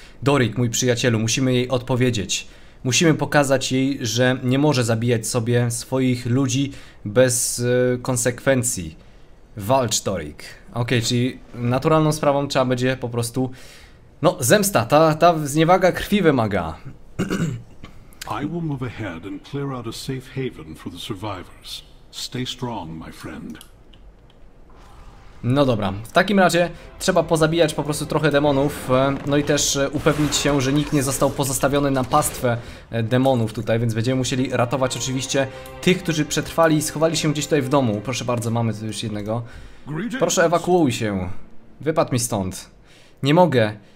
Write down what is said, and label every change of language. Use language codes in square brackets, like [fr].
[pl] Doric, mój przyjacielu, musimy jej odpowiedzieć. Musimy pokazać jej, że nie może zabijać sobie swoich ludzi bez konsekwencji. Walcz, Doric. Okej, czyli naturalną sprawą trzeba będzie po prostu... No, zemsta, ta zniewaga krwi wymaga. [en] I will move ahead and clear out a safe haven for the survivors. Stay strong, my friend. [pl] No dobra, w takim razie trzeba pozabijać po prostu trochę demonów, no i też upewnić się, że nikt nie został pozostawiony na pastwę demonów tutaj, więc będziemy musieli ratować oczywiście tych, którzy przetrwali i schowali się gdzieś tutaj w domu. Proszę bardzo, mamy tu już jednego. Proszę, ewakuuj się. Wypadł mi stąd. Nie mogę.